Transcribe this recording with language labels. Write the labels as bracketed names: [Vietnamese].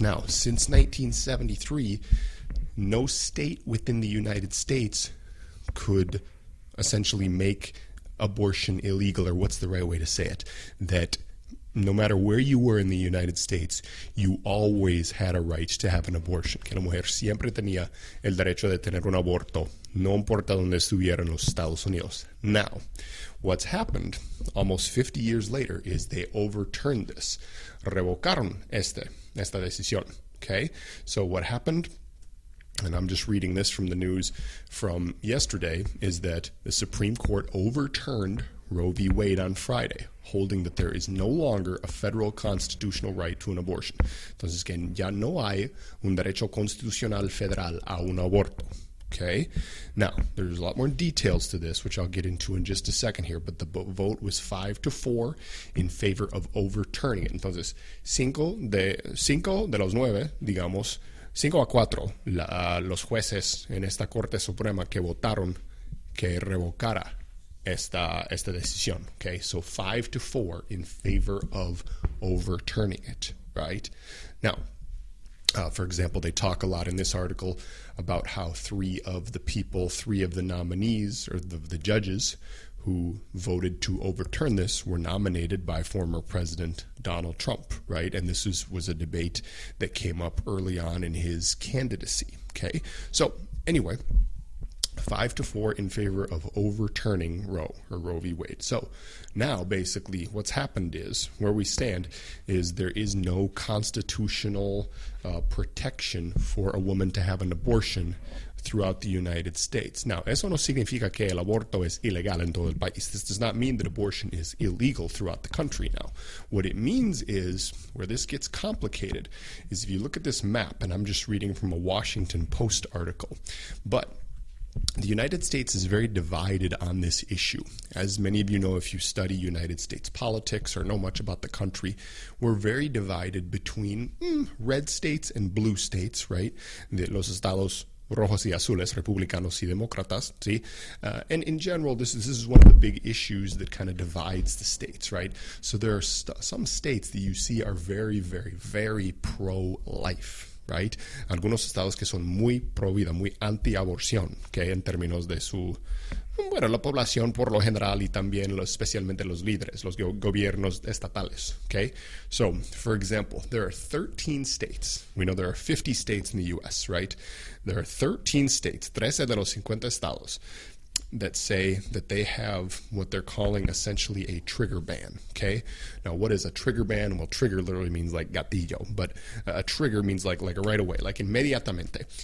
[English] Now, since 1973, no state within the United States could essentially make abortion illegal, or what's the right way to say it, that no matter where you were in the United States, you always had a right to have an abortion. [Spanish] Que la mujer siempre tenía el derecho de tener un aborto, no importa donde estuviera en los Estados Unidos. [English] Now, what's happened almost 50 years later is they overturned this. [Spanish] Revocaron esta decisión. [English] Okay? So what happened, and I'm just reading this from the news from yesterday, is that the Supreme Court overturned Roe v. Wade on Friday, holding that there is no longer a federal constitutional right to an abortion. [Spanish] Entonces, que ya no hay un derecho constitucional federal a un aborto. [English] Okay? Now, there's a lot more details to this, which I'll get into in just a second here, but the vote was 5-4 in favor of overturning it. [Spanish] Entonces, cinco de los nueve, digamos, 5-4, los jueces en esta Corte Suprema que votaron que revocara esta decisión, okay? [English] So 5-4 in favor of overturning it, right? Now, for example, they talk a lot in this article about how three of the nominees or the judges who voted to overturn this were nominated by former President Donald Trump, right? And this was a debate that came up early on in his candidacy, okay? So anyway, 5-4 in favor of overturning Roe v. Wade. So now basically what's happened is where we stand is there is no constitutional protection for a woman to have an abortion throughout the United States. [Spanish] Now, eso no significa que el aborto es ilegal en todo el país. [English] This does not mean that abortion is illegal throughout the country now. What it means is, where this gets complicated, is if you look at this map, and I'm just reading from a Washington Post article, but the United States is very divided on this issue. As many of you know, if you study United States politics or know much about the country, we're very divided between red states and blue states, right? [Spanish] Los estados rojos y azules, republicanos y demócratas, ¿sí? [English] And in general, this is one of the big issues that kind of divides the states, right? So there are some states that you see are very, very, very pro-life. [Spanish] Right, algunos estados que son muy pro vida, muy anti-aborción, que en términos de su, bueno, la población por lo general y también especialmente los líderes, los gobiernos estatales. [English] Okay, so for example, there are 13 states. We know there are 50 states in the U.S. Right, there are 13 states, [Spanish] 13 de los 50 estados, [English] that say that they have what they're calling essentially a trigger ban, okay? Now, what is a trigger ban? Well, trigger literally means like gatillo, but a trigger means like right away, like inmediatamente.